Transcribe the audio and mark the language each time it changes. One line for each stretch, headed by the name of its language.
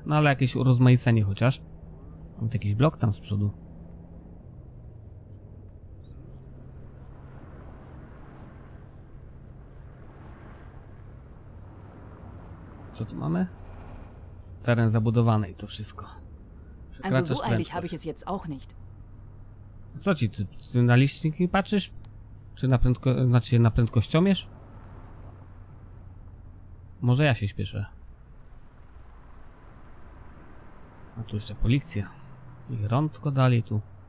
Polish: No ale jakieś urozmaicenie chociaż. Mam jakiś blok tam z przodu. Co tu mamy? Teren zabudowany i to wszystko.
German: Also so eilig habe ich es jetzt auch nicht.
Polish: Co ci, ty na licznik nie patrzysz? Czy na prędkość, znaczy na prędkościomierz? Może ja się śpieszę. A tu jeszcze policja. I rądko dalej tu.